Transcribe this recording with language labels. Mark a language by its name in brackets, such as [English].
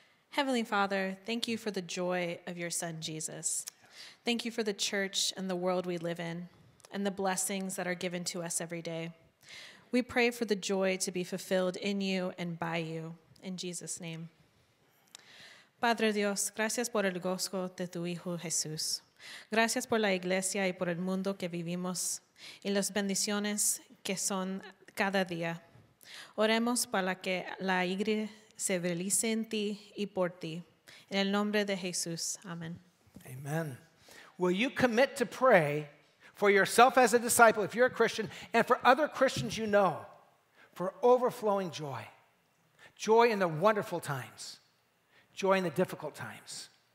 [English] Heavenly Father, thank you for the joy of your Son, Jesus. Thank you for the church and the world we live in and the blessings that are given to us every day. We pray for the joy to be fulfilled in you and by you. In Jesus' name. [Spanish] Padre Dios, gracias por el gozo de tu Hijo Jesús. Gracias por la iglesia y por el mundo que vivimos y las bendiciones que son cada día. Oremos para que la iglesia se realice en ti y por ti. En el nombre de Jesús. Amen. [English] Amen. Will you commit to pray for yourself as a disciple, if you're a Christian, and for other Christians you know, for overflowing joy? Joy in the wonderful times. Joy in the difficult times.